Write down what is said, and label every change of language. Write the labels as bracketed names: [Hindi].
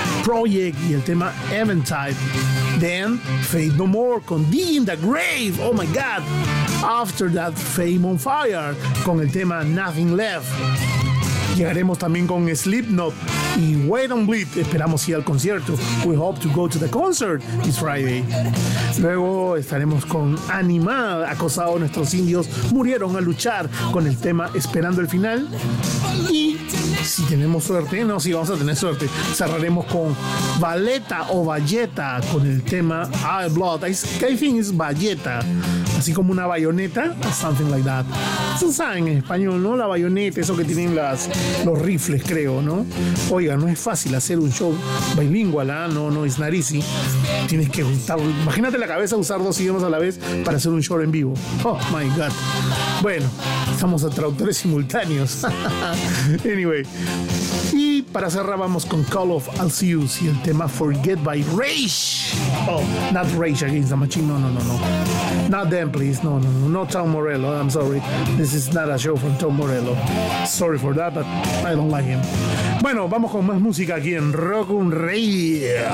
[English] Project [Spanish] y el tema [English] Eventide. Then, Faith No More con Digging the Grave, oh my God. After that, Fame on Fire [Spanish] con el tema [English] Nothing Left. [Spanish] Llegaremos también con Slipknot y Wait on Bleed. Esperamos ir al concierto. [English] We hope to go to the concert this Friday. [Spanish] Luego estaremos con Animal, Acosado, Nuestros Indios Murieron al Luchar, con el tema Esperando el Final. Y si tenemos suerte, no, si vamos a tener suerte, cerraremos con Valletta o Valletta, con el tema I Blood. [English] I think it's Valletta. [Spanish] Así como una bayoneta, [English] something like that. [Spanish] Eso saben en español, ¿no? La bayoneta, eso que tienen los rifles, creo, ¿no? Oiga, no es fácil hacer un show bilingual, ¿ah? No, es narici. Tienes que usar, imagínate la cabeza, usar dos idiomas a la vez para hacer un show en vivo. [English] Oh my God. [Spanish] Bueno, estamos a traductores simultáneos. Anyway. Y para cerrar, vamos con Call of Alcius y el tema Forget by Rage. [English] Oh, not Rage Against the Machine. No. Not them, please. No. Not Tom Morello. I'm sorry. This is not a show from Tom Morello. Sorry for that, but I don't like him. [Spanish] Bueno, vamos con más música aquí en Rock un Rey.